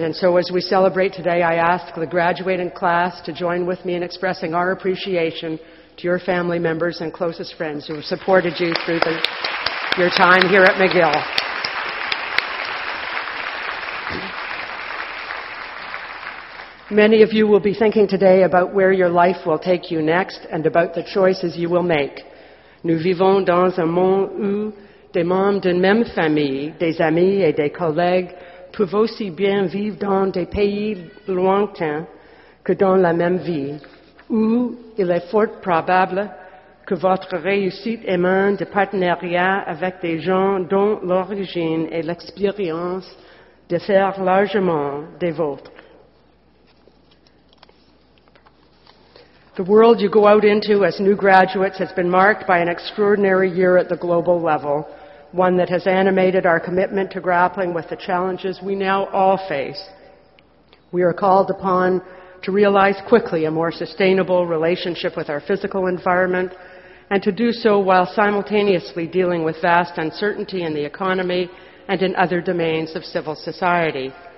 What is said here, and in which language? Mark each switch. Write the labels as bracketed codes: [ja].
[en] And so as we celebrate today, I ask the graduating class to join with me in expressing our appreciation to your family members and closest friends who have supported you through your time here at McGill. Many of you will be thinking today about where your life will take you next and about the choices you will make. [fr] Nous vivons dans un monde où des membres d'une même famille, des amis et des collègues peuvent aussi bien vivre dans des pays lointains que dans la même vie, où il est fort probable que votre réussite émane de partenariats avec des gens dont l'origine et l'expérience diffèrent largement des vôtres. [en] The world you go out into as new graduates has been marked by an extraordinary year at the global level, one that has animated our commitment to grappling with the challenges we now all face. We are called upon to realize quickly a more sustainable relationship with our physical environment, and to do so while simultaneously dealing with vast uncertainty in the economy and in other domains of civil society.